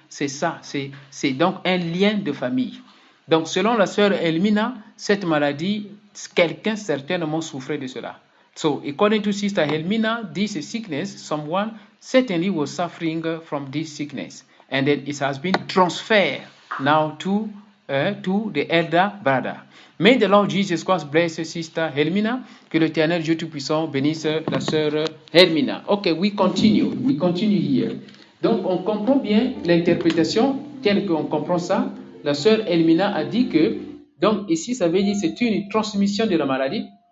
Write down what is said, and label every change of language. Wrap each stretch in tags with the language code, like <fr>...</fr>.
<fr>C'est ça, c'est donc un lien de famille. Donc, selon la sœur Elmina, cette maladie, quelqu'un certainement souffrait de cela.</fr> <en>So, according to Sister Hermina, this sickness, someone certainly was suffering from this sickness. And then it has been transferred now to the elder brother. May the Lord Jesus Christ bless Sister Hermina.</en> <fr>Que l'Éternel Dieu Tout-Puissant bénisse la sœur Hermina.</fr> <en>Okay, we continue here.</en> <fr>Donc, on comprend bien l'interprétation telle qu'on comprend ça. La sœur Hermina a dit que, donc ici, ça veut dire c'est une transmission de la maladie.</fr>